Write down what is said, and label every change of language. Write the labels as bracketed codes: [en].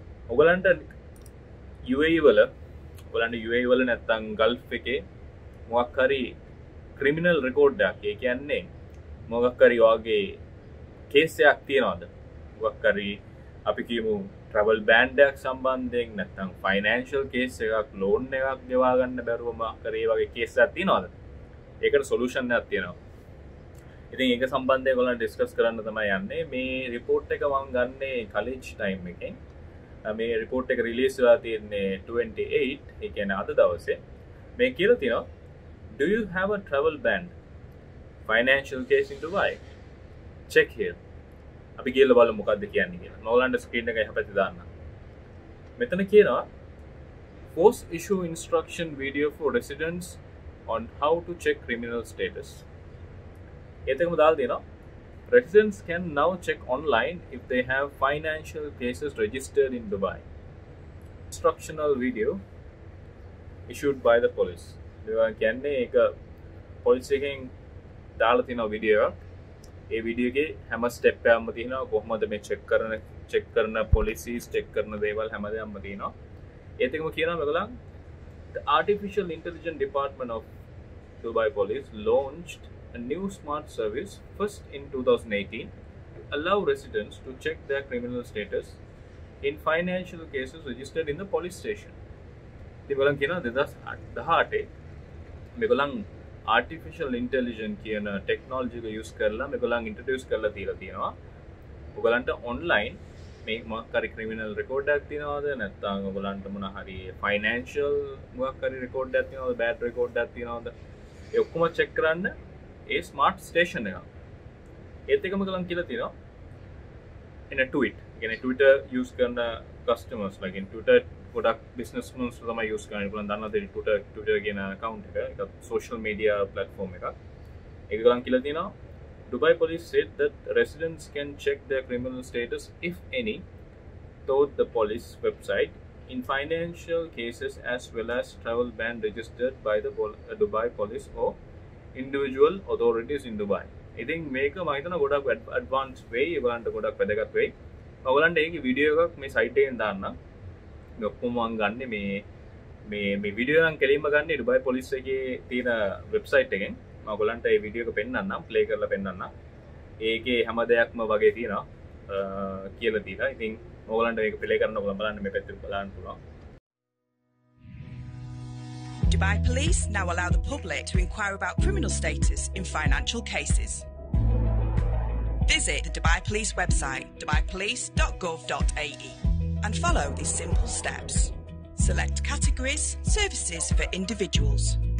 [si] ඔයගලන්ට UAE වල ඔයගලන්ට UAE වල නැත්තම් ගල්ෆ් එකේ මොකක් හරි ක්‍රිමිනල් රෙකෝඩ් එකක්, ඒ කියන්නේ මොකක් හරි ඔයගේ කේස් එකක් තියනවාද, මොකක් හරි අපි කියමු ට්‍රැවල් බෑන්ඩ් එකක් සම්බන්ධයෙන්, නැත්තම් ෆයිනෑන්ෂියල් කේස් එකක්, ලෝන් එකක් ගෙවා ගන්න බැරුව මොකක් හරි ඒ වගේ කේස් එකක් තියනවාද, ඒකට සොලූෂන් එකක් තියෙනවා. ඉතින් ඒක සම්බන්ධයෙන් ඔයගලන්ට ඩිස්කස් කරන්න තමයි යන්නේ. මේ රිපෝට් එක මම ගන්නෙ කලේජ් ටයිම් එකෙන්. මේ රිපෝට් එක රිලීස් වෙලා තියෙන්නේ 28, ඒ කියන්නේ අද දවසේ. මේ කියලා තියෙනවා, [en] Do you have a travel ban? Financial case in Dubai? Check here. [si] අපි කියලා බලමු මොකක්ද කියන්නේ කියලා. නෝලන්ඩ ස්ක්‍රීන් එක යහපැති දාන්න. මෙතන කියනවා, [en] Post issue instruction video for residents on how to check criminal status. [si] ඒකම දාලා තියෙනවා, [en] Residents can now check online if they have financial cases registered in Dubai. Instructional video issued by the police. [si] දැන් කියන්නේ ඒක police එකෙන් දාලා තියෙන video එකක්. ඒ වීඩියෝ එකේ හැම ස්ටෙප් එකක්ම තියෙනවා, කොහොමද මේ චෙක් කරන පොලිසීස්, චෙක් කරන දේවල් හැමදේම තියෙනවා. ඒත් එකම කියනවා මෙගොල්ලන්, [en] The Artificial Intelligence Department of Dubai Police launched a new smart service first in 2018 to allow residents to check their criminal status in financial cases registered in the police station. [si] ඉතින් කියනවා 2018 මේගොල්ලන් ආර්ටිෆිෂියල් intelligence කියන technology එක use කරලා මේගොල්ලන් ඉන්ට්‍රඩියුස් කරලා තියලා තියෙනවා. ඔයගලන්ට online මේ මොකක් හරි ක්‍රිමිනල් රෙකෝඩ් එකක් තියෙනවද, නැත්නම් ඔයගලන්ට මොන හරි ෆයිනෑන්ෂියල් මොකක් හරි රෙකෝඩ් එකක් තියෙනවද, බෑඩ් රෙකෝඩ් එකක් තියෙනවද, ඒ ඔක්කොම චෙක් කරන්න ඒ ස්මාර්ට් ස්ටේෂන් එක. ඒත් එකම ගලන් කියලා තියෙනවා, එන ට්විට්, කියන්නේ ට්විටර් යූස් කරන කස්ටමර්ස් ලගින් ට්විටර් ගොඩක් බිස්නස් මන්ස් තමයි යූස් කරන්නේ. ගොලන් දන්නවද ට්විටර් කියන account එක, ඒක social media platform එකක්. ඒක ගොලන් කියලා තියෙනවා, [en] Dubai police said that residents can check their criminal status if any through the police website in financial cases as well as travel ban registered by the Dubai police or individual authorities in Dubai. [si] ඉතින් මේක මම හිතනවා ගොඩක් advance way, ඒගොල්ලන්ට ගොඩක් වැදගත් වෙයි. ඔයගොල්ලන්ට ඒකේ video එකක් මේ site එකෙන් දාන්න. ඔක්කොම මම ගන්න මේ වීඩියෝ නම් කෙලින්ම ගන්න ඩුබයි පොලිස් එකේ තියෙන වෙබ්සයිට් එකෙන්. මම ඔයගලන්ට මේ වීඩියෝ එක පෙන්වන්නම්, ප්ලේ කරලා පෙන්වන්නම්. ඒකේ හැම දෙයක්ම වගේ තියෙනවා කියලා දීලා. ඉතින් ඔයගලන්ට මේක ප්ලේ කරන්න ඔයගල බලන්න මේ පැත්තට බලන්න පුළුවන්. [en] Dubai police now allow the public to inquire about criminal status in financial cases. Visit the Dubai police website dubaipolice.gov.ae. and follow these simple steps. Select categories, services for individuals.